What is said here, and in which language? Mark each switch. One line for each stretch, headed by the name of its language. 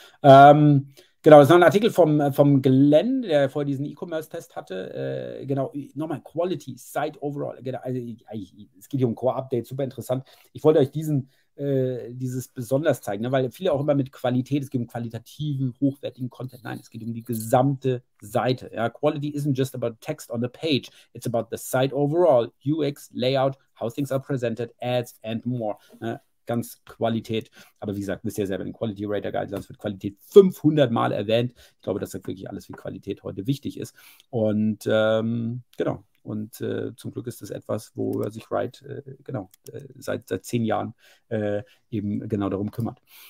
German: Genau, das ist noch ein Artikel vom Glenn, der vorher diesen E-Commerce-Test hatte. Genau, nochmal Quality, Site Overall. Genau, also, es geht hier um Core-Update, super interessant. Ich wollte euch dieses besonders zeigen, ne, weil viele auch immer mit Qualität, es geht um qualitativen, hochwertigen Content. Nein, es geht um die gesamte Seite. Ja.
English: Quality isn't just about text on the page, it's about the site overall, UX, Layout, how things are presented, ads and more.
German: ganz Qualität. Aber wie gesagt, wisst ihr selber, den Quality Rater Guide, sonst wird Qualität 500 Mal erwähnt. Ich glaube, dass da wirklich alles wie Qualität heute wichtig ist. Und genau. Und zum Glück ist das etwas, wo sich Wright seit 10 Jahren eben genau darum kümmert.